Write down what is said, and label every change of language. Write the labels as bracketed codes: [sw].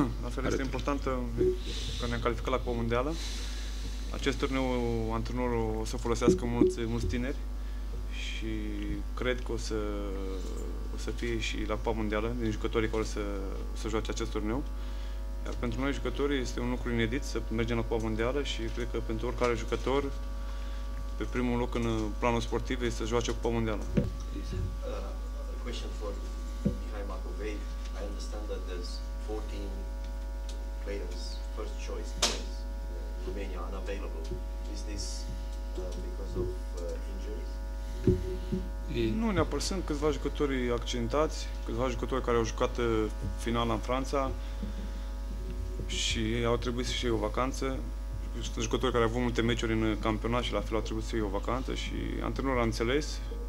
[ro] La fel, este important că ne-am calificat la Copa Mondială. Acest turneu, antrenorul o să folosească mulți tineri și cred că o să fie și la Copa Mondială din jucătorii care o să joace acest turneu. Iar pentru noi jucătorii este un lucru inedit să mergem la Copa Mondială și cred că pentru oricare jucător, pe primul loc în planul sportiv, este să joace Copa Mondială. [en] Question for Mihai Makovei. I understand that there's 14 players, first choice players, Romania, unavailable. Is this because of injuries? [ro] Nu neapărat, sunt câțiva jucători accidentați, câțiva jucători care au jucat finala în Franța și au trebuit să fie o vacanță. Sunt jucători care au avut multe meciuri în campionat și la fel au trebuit să fie o vacanță și antrenorul a înțeles.